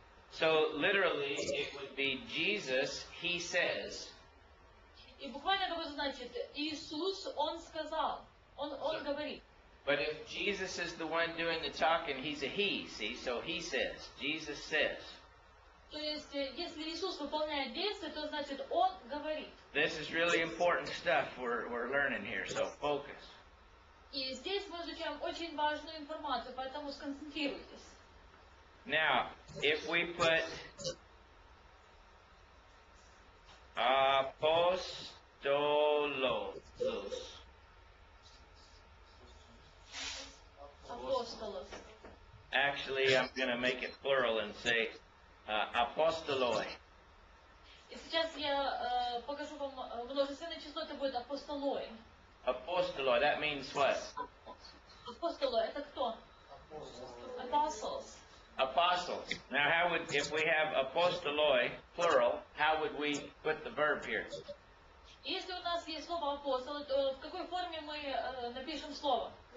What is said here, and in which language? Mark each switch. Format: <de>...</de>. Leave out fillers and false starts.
<en>So literally it would be Jesus, he says.</en> <ru>И буквально это значит, Иисус, он сказал, он говорит.</ru> <en>But if Jesus is the one doing the talking, he's a he, see? So he says, Jesus says.</en> <ru>То есть, если Иисус выполняет действие, то значит, он говорит.</ru> <en>This is really important stuff we're learning here, so focus.</en> <ru>И здесь мы изучаем очень важную информацию, поэтому сконцентрируйтесь.</ru> <en>Now, if we put apostolos. Apostolos. Actually, I'm going to make it plural and say apostoloi.</en> <ru>И сейчас я покажу вам множественное число, это будет апостолой.</ru> <en>Апостолой, that means what?</en> <ru>Апостолой, это кто? Apostles.</ru> <en>Apostles. Now, if we have apostoloi, plural, how would we put the verb here?</en> <ru>Если у нас есть слово апостол, то в какой форме мы напишем слово?</ru>